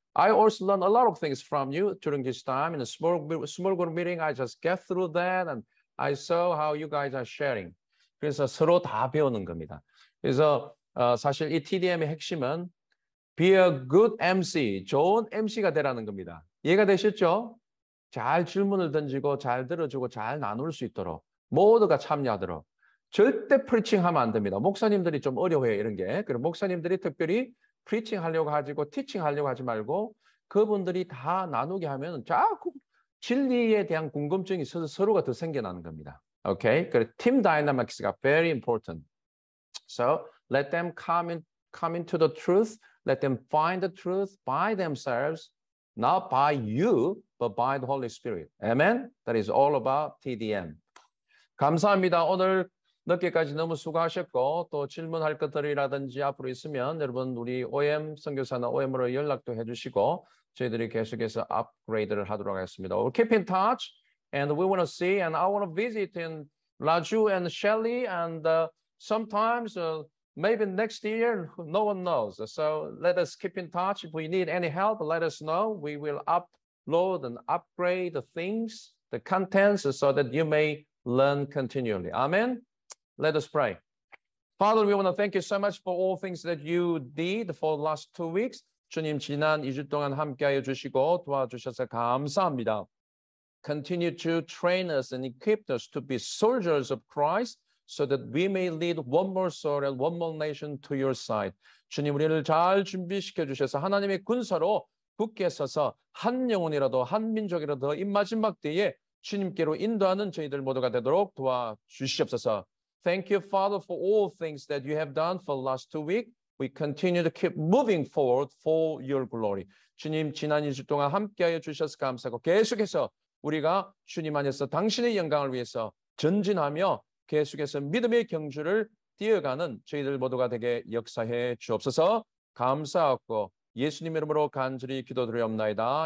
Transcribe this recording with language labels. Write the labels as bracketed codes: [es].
[en] I also learn a lot of things from you during this time in a small group meeting. I just get through that and I saw how you guys are sharing. [ko] 그래서 서로 다 배우는 겁니다. 그래서 사실 이 TDM의 핵심은 [en] Be a good MC, [ko] 좋은 MC가 되라는 겁니다. 이해가 되셨죠? 잘 질문을 던지고 잘 들어주고 잘 나눌 수 있도록 모두가 참여하도록 절대 프리칭하면 안 됩니다. 목사님들이 좀 어려워요, 이런 게. 그리고 목사님들이 특별히 프리칭하려고 하지고 티칭하려고 하지 말고 그분들이 다 나누게 하면 자꾸 진리에 대한 궁금증이 서로가 더 생겨나는 겁니다. 오케이? 그리고 팀 다이나믹스가 [en] very important. So let them come into the truth. Let them find the truth by themselves, not by you, but by the Holy Spirit. Amen? That is all about TDM. [ko] 감사합니다. 오늘 늦게까지 너무 수고하셨고 또 질문할 것들이라든지 앞으로 있으면 여러분 우리 OM 선교사나 OM으로 연락도 해주시고 저희들이 계속해서 업그레이드를 하도록 하겠습니다. [en] We'll keep in touch and we want to see and I want to visit in Raju and Shelley and sometimes... Maybe next year, no one knows. So let us keep in touch. If we need any help, let us know. We will upload and upgrade the things, the contents, so that you may learn continually. Amen. Let us pray. Father, we want to thank you so much for all things that you did for the last 2 weeks. [ko] 주님, 지난 2주 동안 함께하여 주시고 도와주셔서 감사합니다. [en] Continue to train us and equip us to be soldiers of Christ. So that we may lead one more soul and one more nation to your side. [ko] 주님 우리를 잘 준비시켜 주셔서 하나님의 군사로 굳게 서서 한 영혼이라도 한 민족이라도 이 마지막 때에 주님께로 인도하는 저희들 모두가 되도록 도와주시옵소서. [en] Thank you, Father, for all things that you have done for the last 2 weeks. We continue to keep moving forward for your glory. [ko] 주님 지난 2주 동안 함께하여 주셔서 감사하고 계속해서 우리가 주님 안에서 당신의 영광을 위해서 전진하며 계속해서 믿음의 경주를 뛰어가는 저희들 모두가 되게 역사해 주옵소서 감사하고 예수님 이름으로 간절히 기도드리옵나이다.